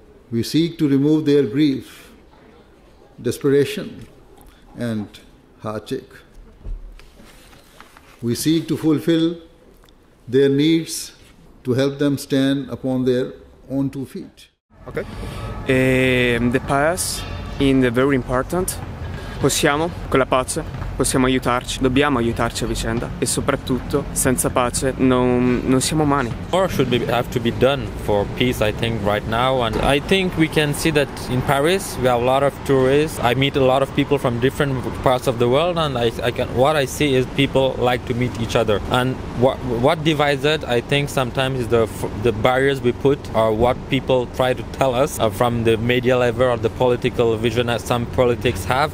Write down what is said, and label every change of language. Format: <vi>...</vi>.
<en>We seek to remove their grief, desperation, and heartache. We seek to fulfill their needs to help them stand upon their own two feet. Okay. The pious is very important.</en> <it>Possiamo, con la pace, possiamo aiutarci. Dobbiamo aiutarci a vicenda. E soprattutto, senza pace, non siamo umani.</it> <en>More should have to be done for peace, I think, right now. And I think we can see that in Paris, we have a lot of tourists. I meet a lot of people from different parts of the world. And what I see is people like to meet each other. And what divides it, I think, sometimes is the barriers we put are what people try to tell us from the media level or the political vision that some politics have.</en>